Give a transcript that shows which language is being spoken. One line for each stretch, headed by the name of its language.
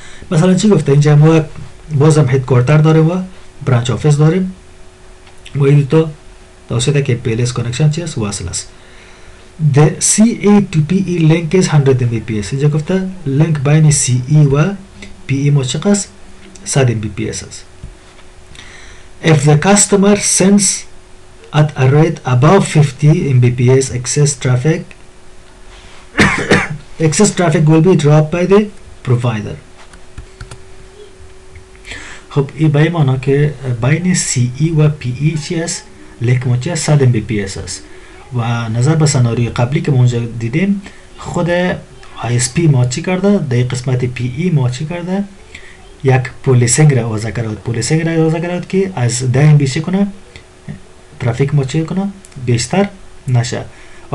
Persian: مثلا چی گفته؟ اینجا ما بازم هدکوارتر داریم و برانچ آفیس داریم و این دو تا توسطه که PLS کنکشن چی است؟ وصل است.
English: The CA to PE link is 100 Mbps.
Persian: اینجا گفته link بین CE و PE ما چقدر؟ 100 Mbps است.
English: If the customer sends at a rate above 50 Mbps excess traffic will be dropped by the provider.
Persian: خب این بایی مانا که بین CE و PE چی است؟ link ما چی است؟ 100 Mbps است. و نظر به سناریوی قبلی که ما اونجا دیدیم، خود ISP ما چی کرده؟ در قسمت PE ما چی کرده؟ یک پولیسینگ را وضع کرده، پولیسینگ را وضع کرده که از 10 MB کنه ترافیک ما چی کنه؟ بیشتر نشه. و